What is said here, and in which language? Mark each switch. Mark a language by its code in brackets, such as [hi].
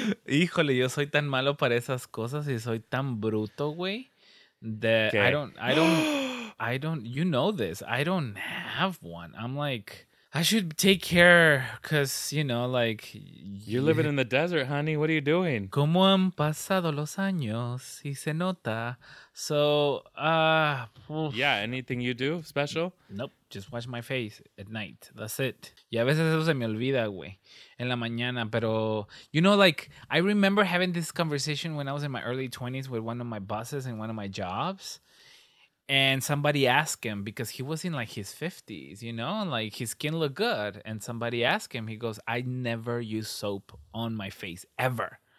[es] Híjole, yo soy tan malo para esas cosas y soy tan bruto, güey, [en] that okay. I don't, you know this, I don't have one. I'm like, I should take care because, you know, like... You're living in the desert, honey. What are you doing? [es] Como han pasado los años y se nota. [en] So, Yeah, anything you do special? Nope. Just wash my face at night. That's it. [es] Y a veces eso se me olvida, güey. En la mañana. Pero, [en] you know, like, I remember having this conversation when I was in my early 20s with one of my bosses in one of my jobs. And somebody asked him, because he was in, like, his 50s, you know? Like, his skin looked good. And somebody asked him, he goes, I never use soap on my face, ever.